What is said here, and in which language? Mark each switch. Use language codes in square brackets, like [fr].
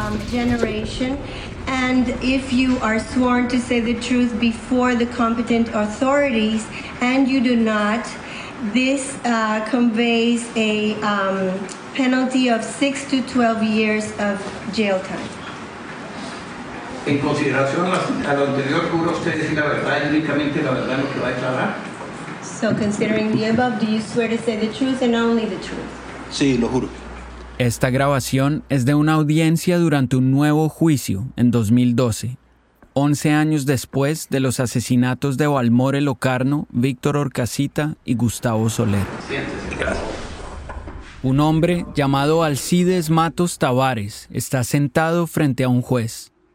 [en] Generation, and if you are sworn to say the truth before the competent authorities and you do not, this conveys a penalty of 6 to 12 years of jail time. [es] En consideración a lo anterior, ¿jura usted decir la verdad y únicamente la verdad lo que va a declarar? [en] So considering the above, do you swear to say the truth and only the truth? [es] Sí, lo juro. Esta grabación es de una audiencia durante un nuevo juicio en 2012, 11 años después de los asesinatos de Balmore Locarno, Víctor Orcasita y Gustavo Soler. Un hombre llamado Alcides Matos Tavares está sentado frente a un juez.